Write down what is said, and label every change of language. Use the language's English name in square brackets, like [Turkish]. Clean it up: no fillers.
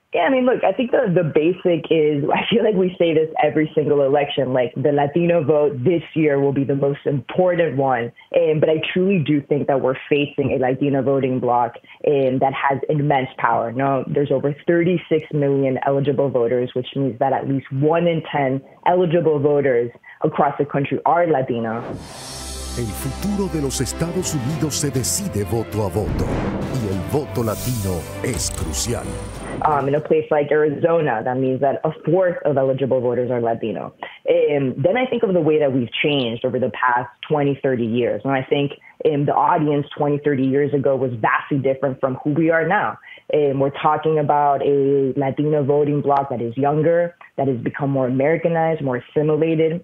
[English] Yeah, I mean, look, I think the basic is, I feel like we say this every single election, like the Latino vote this year will be the most important one. But I truly do think that we're facing a Latino voting bloc that has immense power. Now, there's over 36 million eligible voters, which means that at least 1 in 10 eligible voters across the country are Latino. [Spanish] El futuro de los Estados Unidos se decide voto a voto, y el voto latino es crucial. [English] In a place like Arizona, that means that a fourth of eligible voters are Latino. Then I think of the way that we've changed over the past 20, 30 years. And I think the audience 20, 30 years ago was vastly different from who we are now. We're talking about a Latino voting bloc that is younger, that has become more Americanized, more assimilated.